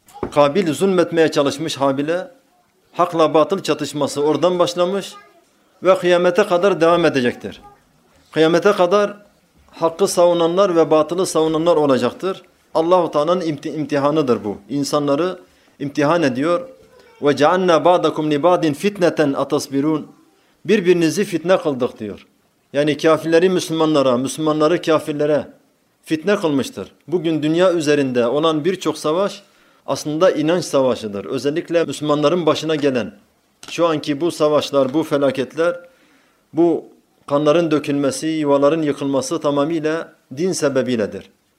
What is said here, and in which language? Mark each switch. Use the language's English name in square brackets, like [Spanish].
[Turkish] Kabil zulmetmeye çalışmış Habil'e. Hakla batıl çatışması oradan başlamış ve kıyamete kadar devam edecektir. Kıyamete kadar hakkı savunanlar ve batılı savunanlar olacaktır. Allah-u Teala'nın imtihanıdır bu. İnsanları imtihan ediyor. [Arabic] وَجَعَلْنَا بَعْدَكُمْ لِبَعْدٍ فِتْنَةً اَتَصْبِرُونَ [Turkish] Birbirinizi fitne kıldık diyor. Yani kafirleri Müslümanlara, Müslümanları kafirlere fitne kılmıştır. Bugün dünya üzerinde olan birçok savaş aslında inanç savaşıdır. Özellikle Müslümanların başına gelen şu anki bu savaşlar, bu felaketler, bu kanların dökülmesi, yuvaların yıkılması tamamıyla din sebebiyledir.